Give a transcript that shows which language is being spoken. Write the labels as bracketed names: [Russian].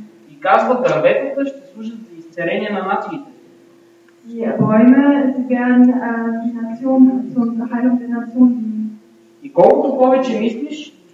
[Bulgarian] И казва, дърветата ще служат за изцеление на нациите. [German] Die Bäume werden die Nation zur Heilung der Nation dienen. [Bulgarian] И колкото повече мислиш,